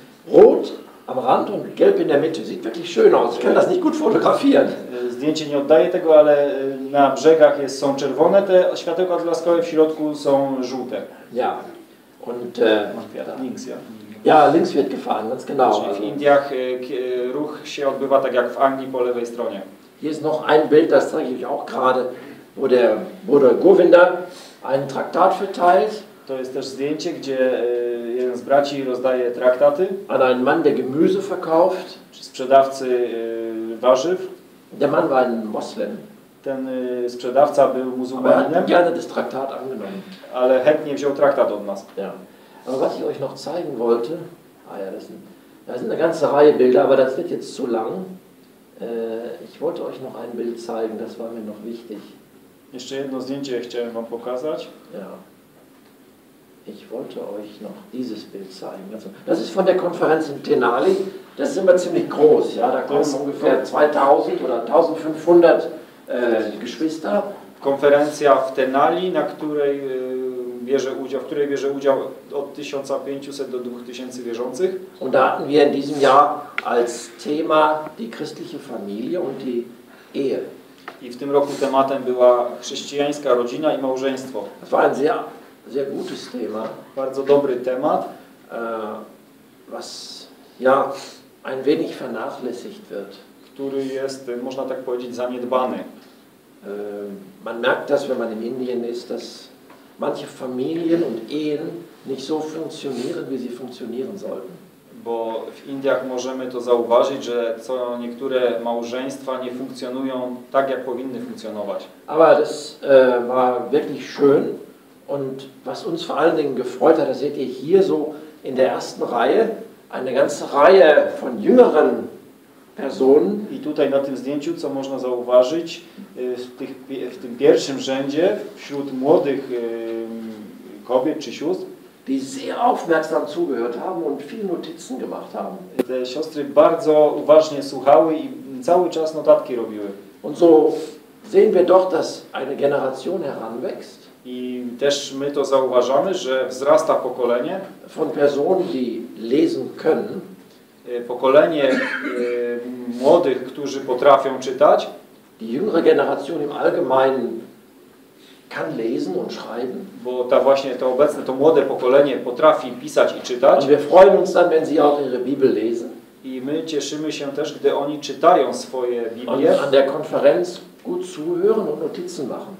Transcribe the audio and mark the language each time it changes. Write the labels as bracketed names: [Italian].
[German] Rot am Rand und gelb in der Mitte. Sieht wirklich schön aus. Ich kann das nicht gut fotografieren. [Polish] Zdjęcie nie oddaje tego, ale na brzegach są czerwone te światełka odblaskowe, w środku są żółte. [German] Ja. Und links, ja. Ja, links wird gefahren, ganz genau. [Polish] Czyli w Indiach ruch się odbywa tak jak w Anglii po lewej stronie. [German] Hier ist noch ein Bild, das zeige ich auch gerade, wo der Buddha Govinda einen Traktat verteilt. [Polish] To jest też zdjęcie, gdzie jeden z braci rozdaje traktaty. [German] An einen Mann, der Gemüse verkauft. [Polish] Sprzedawcy warzyw. [German] Der Mann war ein Moslem. [Polish] Ten sprzedawca był muzułmaninem. [German] Aber hat gerne das Traktat angenommen. [Polish] Ale chętnie wziął traktat od nas. [German] Ja. Aber was ich euch noch zeigen wollte, das sind eine ganze Reihe Bilder, aber das wird jetzt zu lang. Ich wollte euch noch ein Bild zeigen, das war mir noch wichtig. [Polish] Jeszcze jedno zdjęcie chciałem wam pokazać. [German] Ja. Ich wollte euch noch dieses Bild zeigen. Also, das ist von der Konferenz in Denali. Das ist immer ziemlich groß. Ja, da kommen ungefähr 2000 oder 1500 Geschwister. [Polish] Konferencja w Denali, na której bierze udział od 1500 do 2000 wierzących. [German] Und da hatten wir in diesem Jahr als Thema die christliche Familie und die Ehe. [Polish] I w tym roku tematem była chrześcijańska rodzina i małżeństwo. [German] Das war ein sehr, sehr gutes Thema. [Polish] Bardzo dobry temat, [German] was ja ein wenig vernachlässigt wird. [Polish] Który jest, można tak powiedzieć, zaniedbany. [German] Man merkt das, wenn man in Indien ist, dass manche Familien und Ehen nicht so funktionieren, wie sie funktionieren sollten. [Polish] Bo w Indiach możemy to zauważyć, że co niektóre małżeństwa nie funkcjonują tak, jak powinny funkcjonować. [German] Aber das war wirklich schön und was uns vor allen Dingen gefreut hat, das seht ihr hier so in der ersten Reihe, eine ganze Reihe von jüngeren Personen. [Polish] I tutaj na tym zdjęciu, co można zauważyć, w tym pierwszym rzędzie, wśród młodych kobiet czy sióstr, [German] die sehr aufmerksam zugehört haben und viele Notizen gemacht haben. [Polish] Te siostry bardzo uważnie słuchały i cały czas notatki robiły. [German] Und so sehen wir doch, dass eine Generation heranwächst. [Polish] I też my to zauważamy, że wzrasta pokolenie. [German] Von Personen, die lesen können. [Polish] Pokolenie młodych, którzy potrafią czytać. [German] Die jüngere Generation im Allgemeinen kann lesen und schreiben. [Polish] Bo ta właśnie to obecne, to młode pokolenie potrafi pisać i czytać. [German] Und wir freuen uns dann, wenn sie auch ihre Bibel lesen. [Polish] I my cieszymy się też, gdy oni czytają swoje Biblię. [German] Und an der Konferenz gut zuhören und Notizen machen.